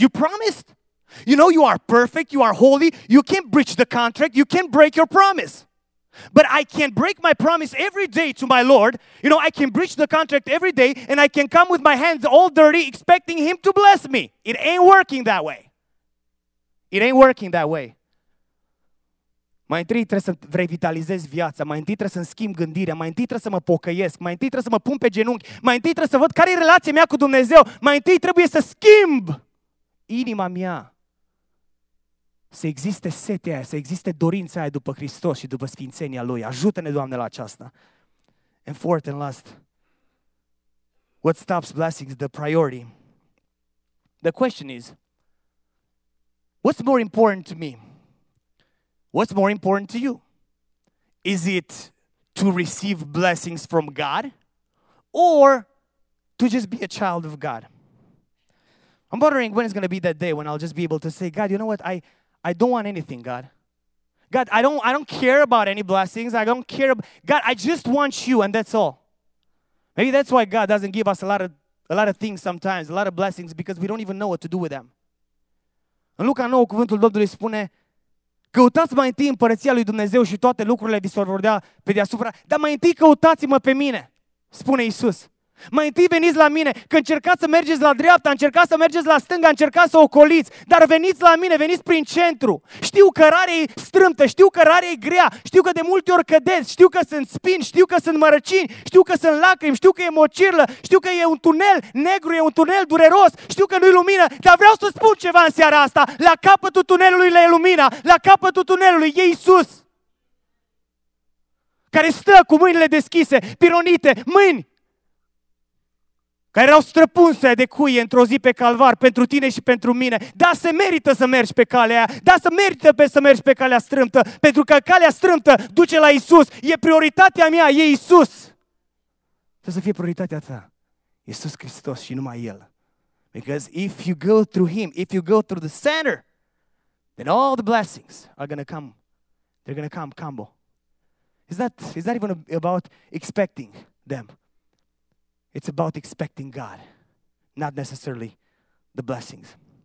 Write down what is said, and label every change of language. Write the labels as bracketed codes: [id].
[en] You promised. You know you are perfect. You are holy. You can't breach the contract. You can't break your promise. But I can break my promise every day to my Lord. You know, I can breach the contract every day and I can come with my hands all dirty expecting him to bless me. It ain't working that way. It ain't working that way. [ro] Mai întâi trebuie să revitalizez viața, mai întâi trebuie să-mi schimb gândirea, mai întâi trebuie să mă pocăiesc, mai întâi trebuie să mă pun pe genunchi, mai întâi trebuie să văd care e relația mea cu Dumnezeu, mai întâi trebuie să schimb inima mea. Să existe setea aia, să existe dorința aia după Hristos și după sfințenia Lui. Ajută-ne, Doamne, la aceasta. [en] And fourth and last, what stops blessings? The priority. The question is, what's more important to me? What's more important to you? Is it to receive blessings from God or to just be a child of God? I'm wondering when it's going to be that day when I'll just be able to say, God, you know what? I don't want anything, God. God, I don't care about any blessings. I don't care. God, I just want you and that's all. Maybe that's why God doesn't give us a lot of things sometimes, a lot of blessings, because we don't even know what to do with them. [ro] În Luca 9, cuvântul Domnului spune, căutați mai întâi împărăția lui Dumnezeu și toate lucrurile vi se vor da pe deasupra, dar mai întâi căutați-mă pe mine, spune Iisus. Mai întâi veniți la mine, că încercați să mergeți la dreapta, încercați să mergeți la stânga, încercați să ocoliți, dar veniți la mine, veniți prin centru. Știu că rarea e strâmtă, știu că rarea e grea, știu că de multe ori cădeți, știu că sunt spini, știu că sunt mărăcini, știu că sunt lacrimi, știu că e mocirlă, știu că e un tunel negru, e un tunel dureros, știu că nu-i lumină, dar vreau să spun ceva în seara asta, la capătul tunelului e lumina, la capătul tunelului e Iisus, care stă cu mâinile deschise, pironite, mâini care erau străpunse de cuie într-o zi pe calvar pentru tine și pentru mine. Da, se merită să mergi pe calea aia. Da, se merită să mergi pe calea strâmtă. Pentru că calea strâmtă duce la Iisus. E prioritatea mea, e Iisus. Trebuie să fie prioritatea ta. Iisus Hristos și numai El. [en] Because if you go through Him, if you go through the center, then all the blessings are going to come. They're going to come, combo. It's not even about expecting them. It's about expecting God, not necessarily the blessings.